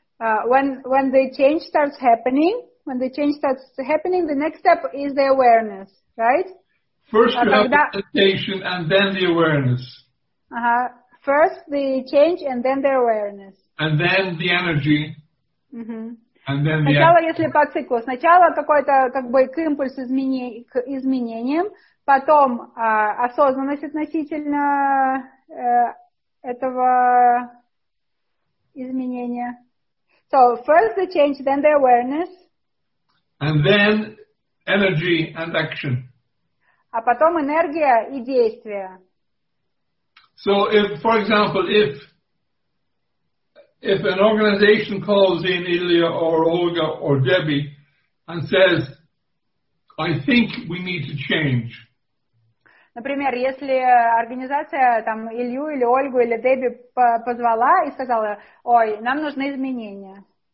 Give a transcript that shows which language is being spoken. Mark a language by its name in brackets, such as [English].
[English] When the change starts happening, the next step is the awareness, right? First you have the sensation and then the awareness. Uh-huh. First the change and then the awareness. And then the energy. Uh-huh. And then the [Russian] сначала, если по циклу, сначала какой-то как бы к импульсу к изменениям, потом осознанность относительно этого изменения. [English] So first the change, then the awareness. And then energy and action. [Russian] А потом энергия и действия. [English] So if, for example, if if an organization calls in Ilya or Olga or Debbie and says, I think we need to change. [Russian] Например, если организация там Илью или Ольгу или Дебби позвала и сказала, ой, нам нужны изменения.